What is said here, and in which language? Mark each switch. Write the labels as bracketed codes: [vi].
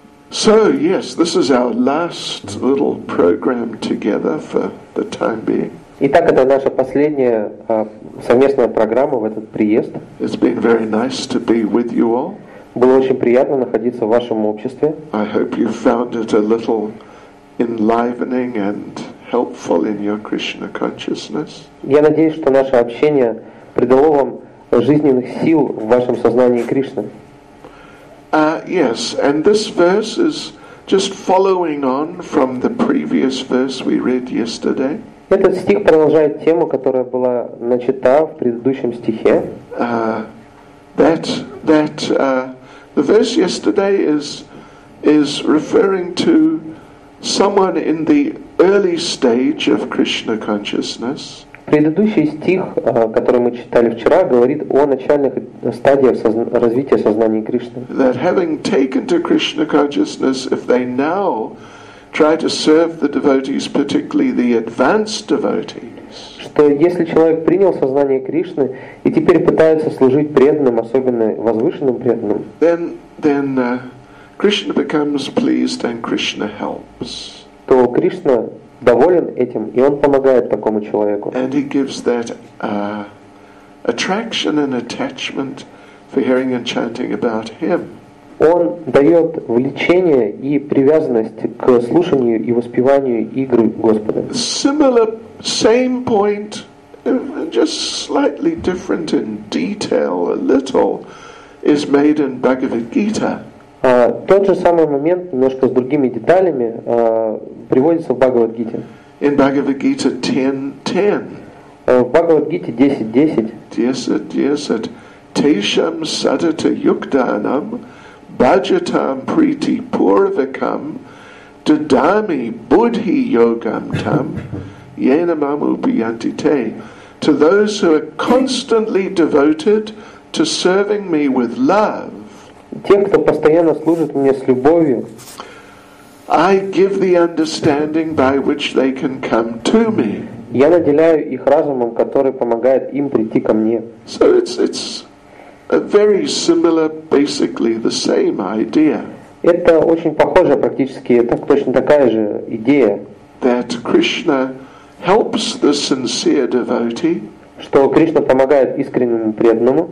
[en] So, yes, this is our last little program together for the time being. [ru] Итак, это наша последняя совместная программа в этот приезд. [en] It's been very nice to be with you all. [ru] Было очень приятно находиться в вашем обществе. [en] I hope you found it a little enlivening and helpful in your Krishna consciousness. [ru] Я надеюсь, что наше общение придало вам жизненных сил в вашем сознании Кришны. [en] Yes, and this verse is just following on from the previous verse we read yesterday. [ru] Этот стих продолжает тему, которая была начата в предыдущем стихе. [en] The verse yesterday is referring to someone in the early stage of Krishna consciousness. [ru] Предыдущий стих, который мы читали вчера, говорит о начальных стадиях развития сознания Кришны. [en] That having taken to Krishna consciousness, if they now try to serve the devotees, particularly the advanced devotees. [ru] Что если человек принял сознание Кришны и теперь пытается служить преданным, особенно возвышенным преданным. [en] Then Krishna becomes pleased and Krishna helps. [ru] То Кришна доволен этим, и он помогает такому человеку. [en] And he gives that attraction and attachment for hearing and chanting about him. [ru] Он дает влечение и привязанность к слушанию и воспеванию игры Господа. [en] Similar, same point, just slightly different in detail, a little, is made in Bhagavad Gita. [ru] Тот же самый момент, немножко с другими деталями, приводится в Бхагавад-гите. [en] In Bhagavad-гите 10.10. [ru] В Бхагавад-гите 10.10. [sa] 10.10. Тешам садата юкданам баджатам прити пурвикам дадами будхи йогам там енамам убиянти те. [en] To those who are constantly devoted to serving me with love, [ru] тем, кто постоянно служит мне с любовью, [en] I give the understanding by which they can come to me. [ru] Я наделяю их разумом, который помогает им прийти ко мне. [en] So it's a very similar, basically the same idea. [ru] Это очень похоже, практически так, точно такая же идея. [en] That Krishna helps the sincere devotee. [ru] Что Кришна помогает искреннему преданному.